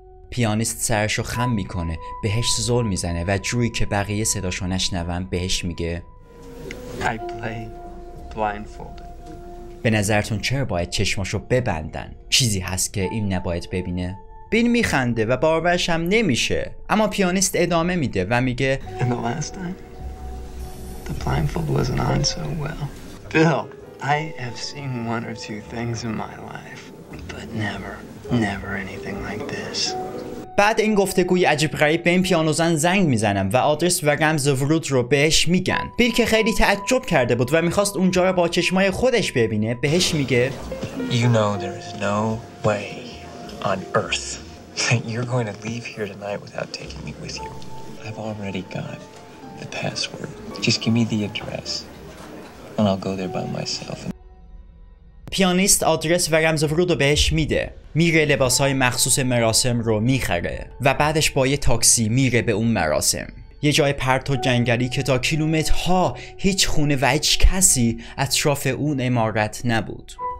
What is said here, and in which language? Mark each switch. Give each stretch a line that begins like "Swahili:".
Persian: پیانیست سرشو خم میکنه، بهش زل میزنه و جوری که بقیه صداشو نشنون بهش میگه
English: I play blindfolded.
Persian: به نظرتون چرا باید چشماشو ببندن؟ چیزی هست که این نباید ببینه؟ بیل میخنده و باورش هم نمیشه، اما پیانیست ادامه میده و میگه
English: And the last time the blindfold wasn't on so well. Bill, I have seen one or two things in my life, but never anything like this.
Persian: بعد این گفتگوی عجیب غریب به این پیانوزن زنگ میزنم و آدرس و رمز ورود رو بهش میگن. بیل که خیلی تعجب کرده بود و میخواست اونجا رو با چشمای خودش ببینه بهش میگه
English: You know there is no way on earth that you're going to leave here tonight without taking me with you. I've already got the password. Just give me the address and I'll go there by myself.
Persian: پیانیست آدرس و رمز ورود رو بهش میده، میره لباسهای مخصوص مراسم رو میخره و بعدش با یه تاکسی میره به اون مراسم، یه جای پرت و جنگلی که تا کیلومترها هیچ خونه و هیچ کسی اطراف اون عمارت نبود.